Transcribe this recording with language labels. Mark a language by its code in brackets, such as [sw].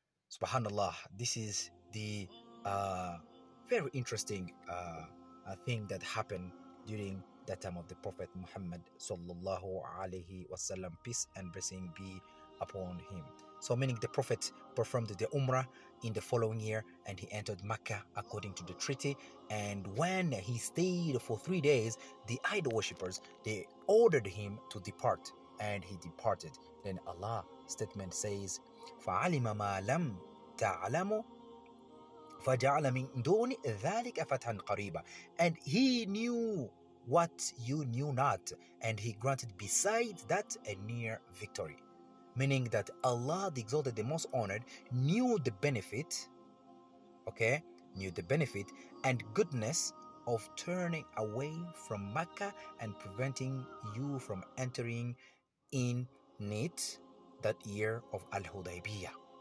[en] Subhanallah, this is the very interesting thing that happened during that time of the Prophet Muhammad sallallahu alayhi wasallam, peace and blessing be upon him. So meaning the Prophet performed the Umrah in the following year, and he entered Makkah according to the treaty. And when he stayed for 3 days, the idol worshippers, they ordered him to depart, and he departed. Then Allah's statement says, [ar] فَعَلِمَ مَا لَمْ تَعْلَمُ فَجَعْلَ مِنْ دُونِ ذَلِكَ فَتْحًا قَرِيبًا. [en] And he knew what you knew not, and he granted beside that a near victory. Meaning that Allah, the Exalted, the Most Honored, knew the benefit, okay, knew the benefit and goodness of turning away from Makkah and preventing you from entering in it that year of Al-Hudaybiyah.